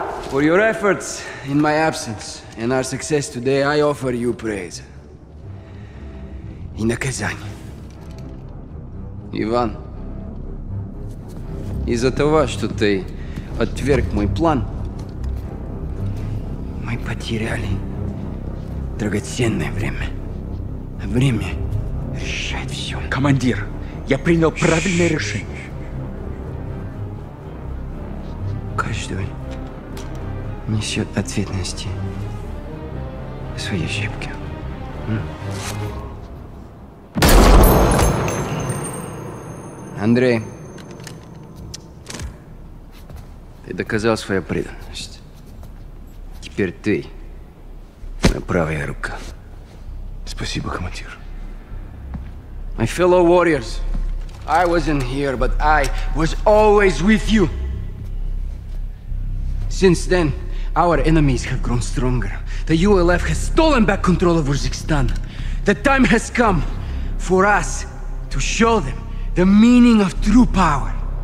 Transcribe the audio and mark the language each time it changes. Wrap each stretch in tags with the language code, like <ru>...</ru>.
<en>For your efforts in my absence and our success today, I offer you praise.</en> <ru>И наказание. Иван, из-за того, что ты отверг мой план, мы потеряли драгоценное время. Время решает все. Командир, я принял правильное решение. хочешь делать, несет ответственности за свои ошибки. Андрей, ты доказал свою преданность. Теперь ты моя правая рука. Спасибо, командир.</ru> <en>My fellow warriors, I wasn't here, but I was always with you. Since then, our enemies have grown stronger. The ULF has stolen back control of Urzikstan. The time has come for us to show them the meaning of true power.</en>